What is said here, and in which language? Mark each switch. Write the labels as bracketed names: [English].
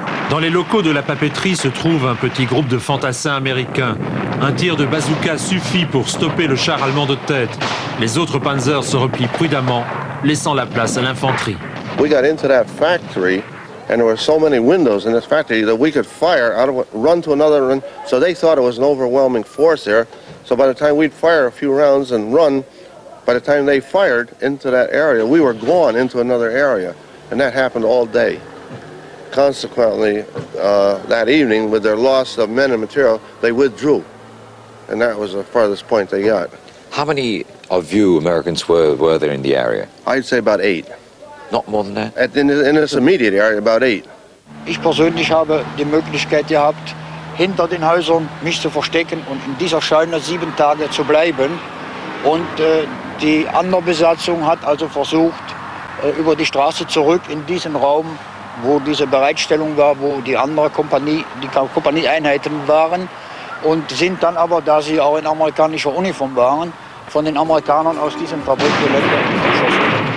[French] Dans les locaux de la papeterie se trouve un petit groupe de fantassins américains. Un tir de bazooka suffit pour stopper le char allemand de tête. Les autres panzers se replient prudemment, laissant la place à l'infanterie. [English] We got into that factory and there were so many windows in this factory that we could fire out of run to another run. So they thought it was an overwhelming force there. So by the time we'd fire a few rounds and run, by the time they fired into that area, we were gone into another area. And that happened all day. Consequently, that evening, with their loss of men and material, they withdrew. And that was the farthest point they got. How many of you Americans were there in the area? I'd say about eight. Not more than that? In this immediate area, about eight. [German] Ich persönlich habe die Möglichkeit gehabt, hinter den Häusern mich zu verstecken und in dieser Scheune sieben Tage zu bleiben. Und die andere Besatzung hat also versucht, über die Straße zurück in diesen Raum, wo diese Bereitstellung war, wo die andere Kompanie, die Kompanieeinheiten waren und sind dann aber, da sie auch in amerikanischer Uniform waren, von den Amerikanern aus diesem Fabrikgelände geschossen.